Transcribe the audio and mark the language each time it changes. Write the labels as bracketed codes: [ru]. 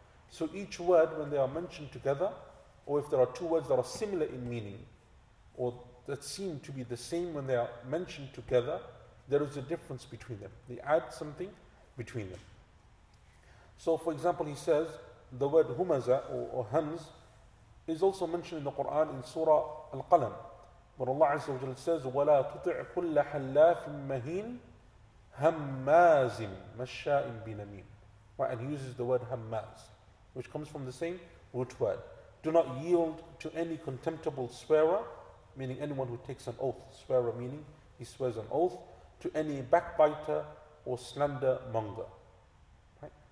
[en] So each word, when they are mentioned together, or if there are two words that are similar in meaning, or that seem to be the same when they are mentioned together, there is a difference between them. They add something between them. So for example, he says, the word humaza or hams is also mentioned in the Quran in Surah Al-Qalam. But Allah Azza wa Jalla says, [ar] وَلَا تُطِعْ كُلَّ حَلَّافٍ مَهِينٍ هَمَّازٍ مَشَّاءٍ بِنَمِيمٍ. [en] Right, and he uses the word hammaz, which comes from the same root word. Do not yield to any contemptible swearer, meaning anyone who takes an oath. Swearer meaning he swears an oath, to any backbiter or slander monger. Right?